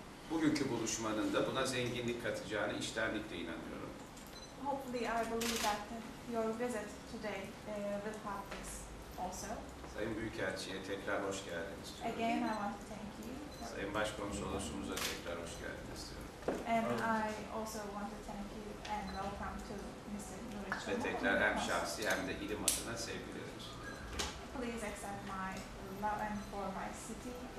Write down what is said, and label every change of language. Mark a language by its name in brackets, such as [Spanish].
[Turkish] Bugünkü buluşmanın da buna zenginlik katacağını içtenlikle inanıyorum. [English] Hopefully, I believe that your visit today will help this also. [Turkish] Sayın Büyükelçi'ye tekrar hoş geldiniz diyorum. [English] Again, I want to thank you. [Turkish] Sayın Başkonsolosumuza tekrar hoş geldiniz diyorum. [English] And I also want to thank you and welcome to Mr. Nuri [Turkish] Çomuk. Ve tekrar hem şahsi hem de ilim adına sevgilerimiz. [English] Please accept my love and for my city.